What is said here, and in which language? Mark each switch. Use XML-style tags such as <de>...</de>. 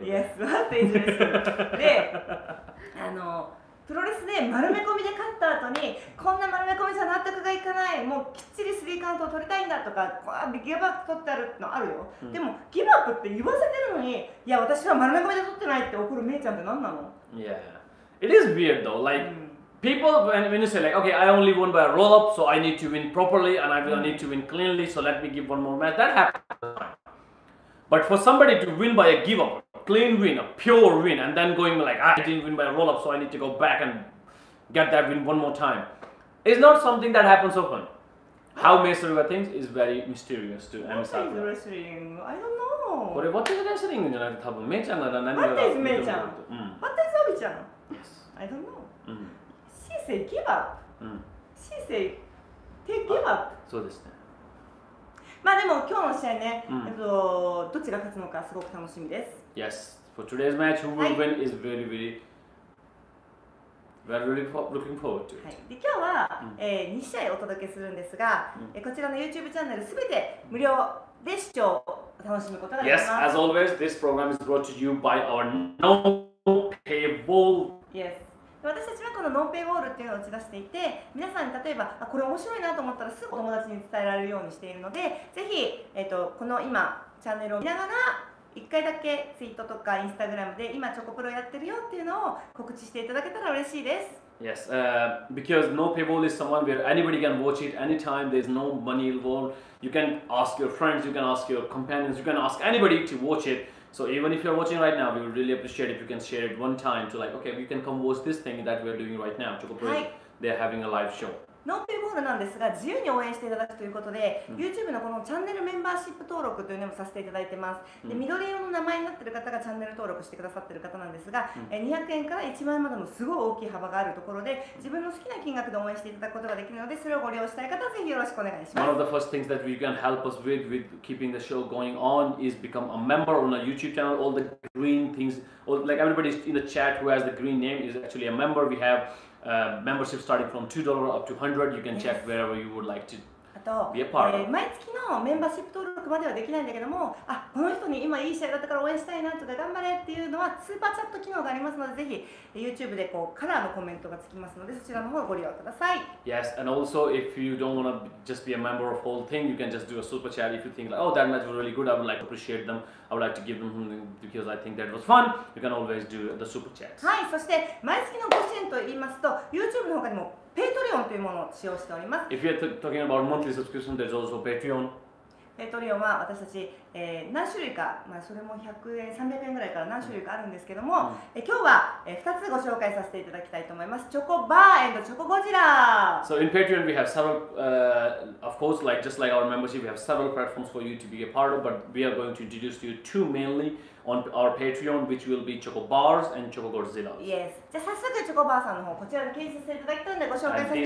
<en>Yes, what is wrestling?</en> <ja>で、あの、プロレスで丸め込みで勝った後にこんな丸め込みじゃ納得がいかないもうきっちりスリーカウントを取りたいんだとかこうギブアップ取ってあるのあるよ、うん、でもギブアップって言わせてるのにいや私は丸め込みで取ってないって怒るメイちゃんって何なの</ja> <en>Yeah, it is weird though like、people when you say like okay I only won by a roll up so I need to win properly and I need to win cleanly so let me give one more match that happens but for somebody to win by a give upClean win, a pure win, and then going like, I didn't win by a roll-up, so I need to go back and get that win one more time. It's not something that happens often. How Mei Suruga thinks is very mysterious to Emi Sakura. What is wrestling? I don't know. But what is wrestling? Mei-chan is probably... What is Mei-chan? What is Obi-chan? I don't know. She said give up. She said give up. She said give up. She said give up.</en> <ja>そうですね。まあでも今日の試合ね、どっちが勝つのかすごく楽しみです。</ja> <en>Yes, for today's match, who will win is very, very, very, very looking forward to it.</en> <ja>はい、で今日は、2試合お届けするんですが、こちらの YouTube チャンネルすべて無料で視聴を楽しむことができます。</ja> <en>Yes, as always, this program is brought to you by our no paywall. Yes,</en> <ja>私たちはこのノンペイウォールっていうのを打ち出していて、皆さんに例えばあこれ面白いなと思ったらすぐお友達に伝えられるようにしているので、ぜひ、この今チャンネルを見ながら一回だけツイートとかインスタグラムで今チョコプロやってるよっていうのを告知していただけたら嬉しいです。</ja> <en>Yes, because no paywall is someone where anybody can watch it anytime. There's no money involved. You can ask your friends, you can ask your companions, you can ask anybody to watch it. So even if you're watching right now, we would really appreciate if you can share it one time to like, okay, you can come watch this thing that we're doing right now. ChocoPro, they're having a live show.</en> <ja>ノンペイウォールなんですが、自由に応援していただくということで、YouTube のこのチャンネルメンバーシップ登録というのもさせていただいてます。で、緑色の名前になっている方がチャンネル登録してくださっている方なんですが、200円から1万円までのすごい大きい幅があるところで、自分の好きな金額で応援していただくことができるので、それをご利用したい方はぜひよろしくお願いします。</ja> <en>One of the first things that we can help us with keeping the show going on is become a member on our YouTube channel. All the green things, like everybody in the chat who has the green name is actually a member. We haveMembership starting from $2 up to $100. You can check wherever you would like to be a part of.</en> <ja>毎月のメンバーシップ登録まではできないんだけども、あ、この人に今いい試合だったから応援したいなとか頑張れっていうのはスーパーチャット機能がありますので、ぜひ YouTube でこうカラーのコメントがつきますので、そちらの方をご利用ください。</ja> <en>Yes, and also if you don't want to just be a member of whole thing, you can just do a super chat. If you think like, oh, that match was really good, I would like to appreciate them. I would like to give them something because I think that was fun. You can always do the super chats.</en> <ja>はい、そして毎月のご支援と言いますと、YouTube の他にも。ペイトリオンというものを使用しております。</ja> <en>If you're talking about monthly subscription, there's also Patreon.</en> <ja>ペイトリオンは私たち、何種類か、まあ、それも100円、300円ぐらいから何種類かあるんですけども、今日は、2つご紹介させていただきたいと思います。チョコバー&チョコゴジラ。</ja> <en>So in Patreon, we have several, of course, like just like our membership, we have several platforms for you to be a part of, but we are going to introduce you two mainly. On our Patreon, which will be Choco Bars and Choco Godzilla. Yes.</en> <ja>じゃあ早速チョコバーさんの方こちらで検索していただきたいのでご紹介させて</ja>